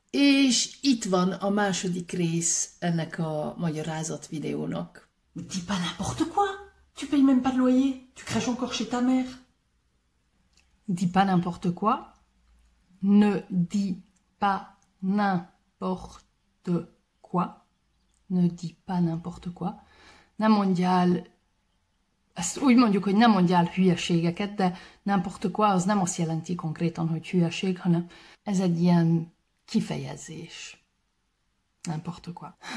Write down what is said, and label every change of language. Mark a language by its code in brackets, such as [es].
[hu] És itt van a második rész ennek a magyarázat videónak. [fr] Dis pas n'importe quoi! Tu payes même pas de loyer! Tu craches encore chez ta mère! Dis pas n'importe quoi! Ne dis pas n'importe quoi! Ne dis pas n'importe quoi! [hu] Nem mondjál, ezt úgy mondjuk, hogy nem mondjál hülyeségeket, de n'importe quoi az nem azt jelenti konkrétan, hogy hülyeség, hanem ez egy ilyen kifejezés. N'importe quoi.